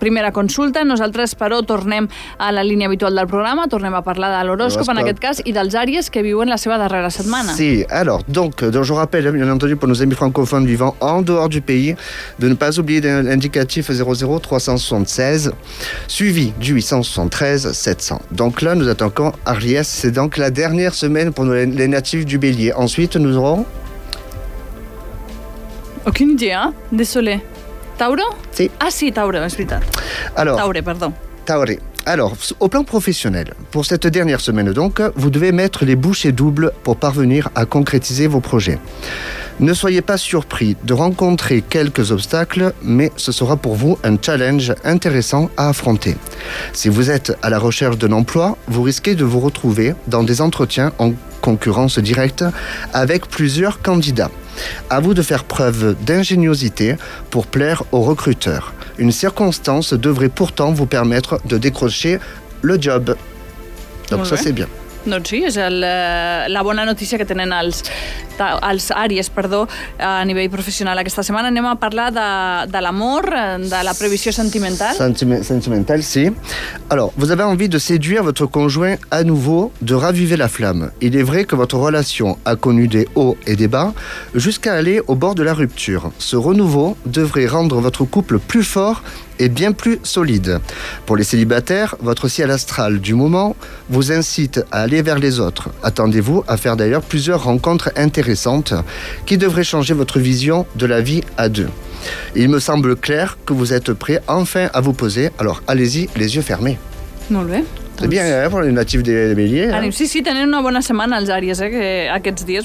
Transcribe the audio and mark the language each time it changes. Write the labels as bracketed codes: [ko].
[ca] Primera consulta, nosaltres, però, tornem a la línia habitual del programa, tornem a parlar de l'horòscop, en aquest cas, i dels àries que viuen la seva darrera setmana. [fr] Sí, alors, donc je rappelle, bien entendu, pour nos amis francophones vivant en dehors du pays, de ne pas oublier l'indicatif 00-376, suivi du 873-700. Donc là, nous attendons Aries, c'est donc la dernière semaine pour nous, les natifs du Bélier. Ensuite, nous aurons... Aucune idée, hein? Désolé. Taureau? Si. Ah si, Taureau, c'est vrai. Alors, Taureau, pardon. Taureau. Alors, au plan professionnel, pour cette dernière semaine donc, vous devez mettre les bouchées doubles pour parvenir à concrétiser vos projets. Ne soyez pas surpris de rencontrer quelques obstacles, mais ce sera pour vous un challenge intéressant à affronter. Si vous êtes à la recherche d'un emploi, vous risquez de vous retrouver dans des entretiens en concurrence directe avec plusieurs candidats. À vous de faire preuve d'ingéniosité pour plaire aux recruteurs. Une circonstance devrait pourtant vous permettre de décrocher le job. Donc ça, c'est bien. [ca] Doncs sí, és la bona notícia que tenen els Aries, perdó, a nivell professional. Aquesta setmana anem a parlar de l'amor, de la previsió sentimental. Sentimental, sí. [fr] Alors, vous avez envie de séduire votre conjoint à nouveau, de raviver la flamme. Il est vrai que votre relation a connu des hauts et des bas, jusqu'à aller au bord de la rupture. Ce renouveau devrait rendre votre couple plus fort et bien plus solide. Pour les célibataires, votre ciel astral du moment vous incite à aller vers les autres. Attendez-vous à faire d'ailleurs plusieurs rencontres intéressantes qui devraient changer votre vision de la vie à deux. Il me semble clair que vous êtes prêt enfin à vous poser, alors allez-y, les yeux fermés. [ca] Molt bé. [fr] C'est bien, pour les natifs des Béliers. [ca] Anem, hein? Sí, tenen una bona setmana els Aries, aquests dies.